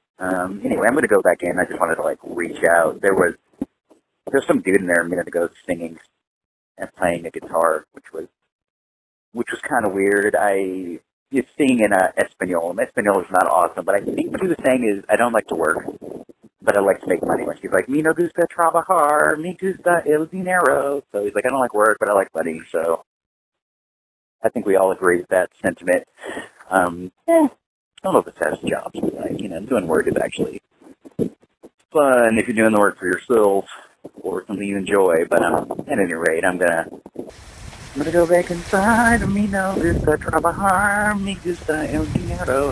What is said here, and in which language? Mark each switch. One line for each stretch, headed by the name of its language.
English: Anyway, I'm going to go back in. I just wanted to, like, reach out. There was some dude in there a minute ago singing and playing a guitar, which was kind of weird. He's singing in Espanol. And Espanol is not awesome, but I think what he was saying is, I don't like to work, but I like to make money. He's like,
Spanish: me no gusta trabajar, me gusta el dinero.
English: So he's like, I don't like work, but I like money. So I think we all agree with that sentiment. I don't know if it's has jobs, like, you know, doing work is actually fun if you're doing the work for yourself or something you enjoy. But at any rate, I'm gonna go back inside.
Spanish: Me no gusta trabajar, me gusta el dinero.